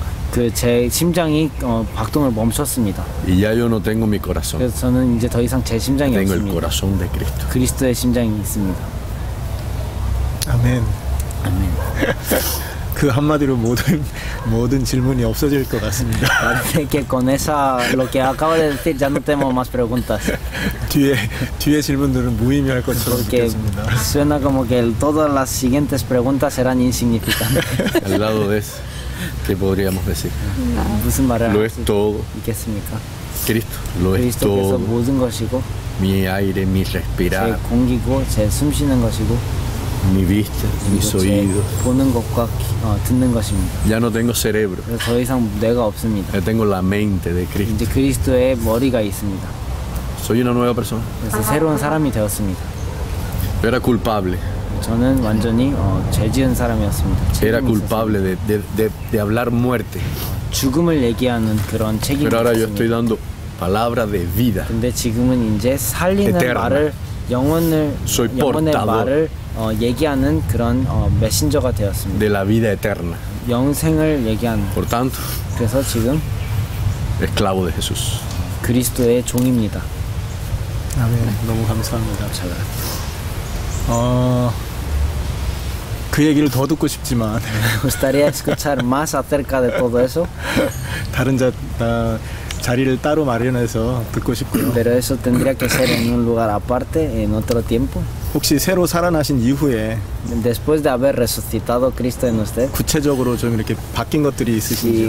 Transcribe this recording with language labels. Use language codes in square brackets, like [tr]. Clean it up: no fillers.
[ko] 그 제 심장이 박동을 멈췄습니다. [es] Y ya yo no tengo mi corazón. [ko] 그래서 저는 이제 더 이상 제 심장이 [es] tengo [ko] 없습니다. [es] Tengo el corazón de Cristo. [ko] 그리스도의 심장이 있습니다. 아멘. 아멘. 그 한마디로 모든 질문이 없어질 것 같습니다. [es] Parece que con esa lo que acabo de decir ya no tenemos más preguntas. [ko] 뒤에 질문들은 무의미할 것처럼 느껴집니다. [es] Suena como que todas las siguientes preguntas serán insignificantes. Al lado de eso, ¿qué podríamos decir? [ko] No. 무슨 말을 [es] lo es todo. [ko] 있겠습니까? [es] Cristo, lo es todo. Mi aire, mi respirar. [ko] 제 공기고, 제 숨 쉬는 것이고, [es] mi vista, mis oídos. [ko] 보는 것과, 듣는 것입니다. [es] Ya no tengo cerebro. [ko] 더 이상 뇌가 없습니다. [es] Ya tengo la mente de Cristo. [ko] 이제 그리스도의 머리가 있습니다. [es] Soy una nueva persona. [ko] 그래서 새로운 사람이 되었습니다. [es] Era culpable. [ko] 저는 완전히 죄 지은 사람이었습니다. [es] Era culpable de hablar muerte. [ko] 죽음을 얘기하는 그런 책임이 [es] Pero ahora yo estoy dando palabra de vida. [ko] 근데 지금은 이제 살리는 Eterna. 말을 영혼을 [es] Soy [ko] 영혼의 [es] portador. [ko] 말을 얘기하는 그런 메신저가 되었습니다. [es] De la vida eterna. [ko] 영생을 얘기하는. [es] Por tanto. [ko] 그래서 지금 [es] esclavo de Jesús. [ko] 그리스도의 종입니다. 아멘. 네. 너무 감사합니다. 잘 그 얘기를 더 듣고 싶지만. [es] gustaría escuchar más acerca de todo eso. [ko] 다른 자리를 따로 마련해서 듣고 싶고요. [es] Pero eso tendría que ser en un lugar aparte, en otro tiempo. [ko] 혹시 새로 살아나신 이후에 [es] Después de haber resucitado Cristo en usted. [ko] 구체적으로 좀 이렇게 바뀐 것들이 있으신지요?